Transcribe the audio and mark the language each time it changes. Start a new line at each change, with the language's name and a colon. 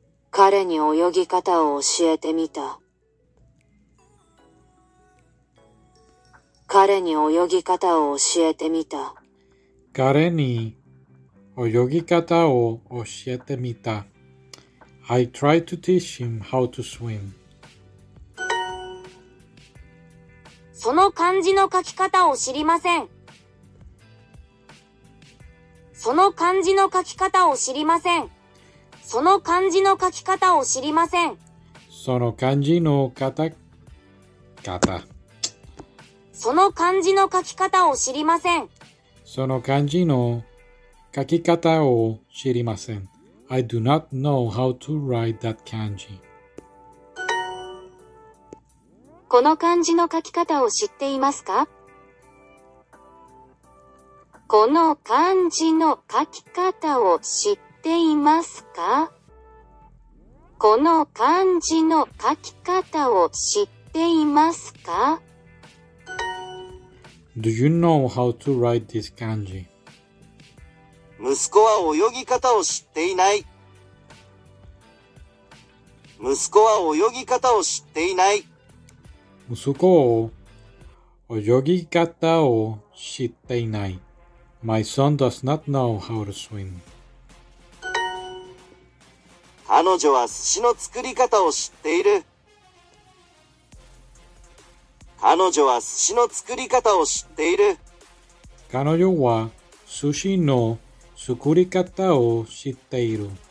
Japanese: 彼に泳ぎ方を教えてみた。彼に泳ぎ方を教えてみた。彼に泳ぎ方を教えてみた。
English: I tried to teach him how to swim.
Japanese: その漢字の書き方を知りません。その漢字の書き方を知りません。その漢字の書き方を知りません。その漢字の方。その漢字の書き方を知りません。その漢字の書き方を知りません。
English: I do not know how to write that 漢字。
Japanese: この漢字の書き方を知っていますか？この漢字の書き方を知っていますか？この漢字の書き方を知っていますか？
English: Do you know how to write this kanji?
Japanese: 息子は泳ぎ方を知っていない。息子は泳ぎ方を知っていない。息子は泳ぎ方を知っていない。
English: My son does not know how to swim.
Japanese: 彼女は寿司の作り方を知っている。彼女は寿司の作り方を知っている。彼女は寿司の作り方を知っている。